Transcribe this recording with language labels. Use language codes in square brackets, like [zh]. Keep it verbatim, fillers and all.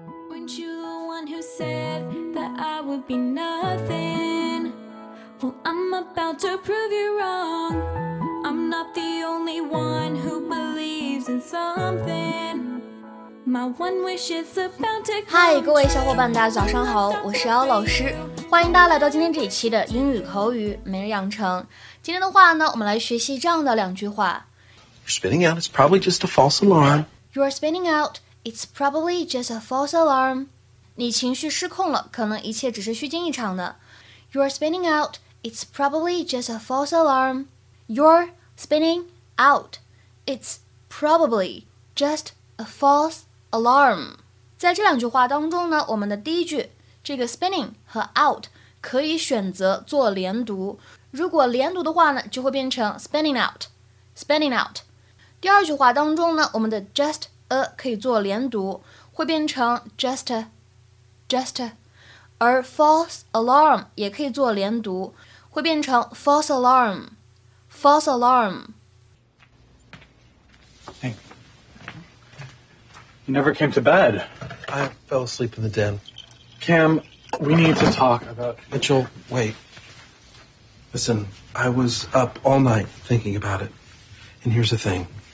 [en] Aren't you the one who said that I would be nothing? Well, I'm about to prove you wrong. I'm not the only one who believes in something. My one wish is about to come. [zh] 嗨，各位小伙伴，大家早上好，我是姚老师，欢迎大家来到今天这一期的英语口语每日养成。今天的话呢，我们来学习这样的两句话。 [en] You're spinning out. It's probably just a false alarm. You are spinning out. It's probably just a false alarm. [zh] 你情绪失控了，可能一切只是虚惊一场的。 [en] You're spinning out. It's probably just a false alarm. You're spinning out. It's probably just a false alarm. [zh] 在这两句话当中呢，我们的第一句，这个 spinning 和 out 可以选择做连读。如果连读的话呢，就会变成 [en] spinning out, spinning out. [zh] 第二句话当中呢，我们的 just a 可以做连读，会变成 [en] just a, just a， [zh] 而 false alarm 也可以做连读，会变成 [en] false alarm, false alarm. Hey, you never came to bed. I fell asleep in the den. Cam, we need to talk about... Mitchell, wait. Listen, I was up all night thinking about it. And here's the thing.